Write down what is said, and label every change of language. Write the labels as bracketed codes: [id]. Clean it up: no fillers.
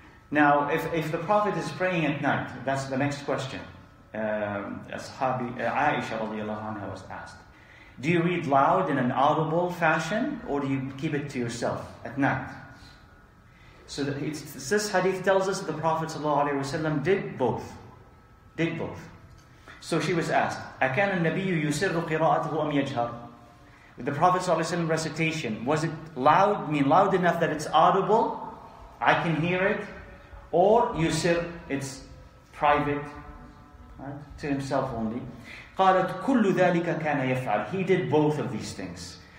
[en] Now, if the Prophet is praying at night, that's the next question. Aisha radiallahu anha was asked. Do you read loud in an audible fashion, or do you keep it to yourself at night? So this hadith tells us that the Prophet ﷺ did both. So she was asked, [ar] أَكَانَ النَّبِيُّ يُسِرُّ قِرَاءَتُهُ أَمْ يَجْهَرُ. [en] With the Prophet ﷺ recitation, was it loud, mean loud enough that it's audible, I can hear it, or yusir, it's private, right, to himself only. [ar] قَالَتْ كُلُّ ذَلِكَ كَانَ يَفْعَلُ. [en] He did both of these things.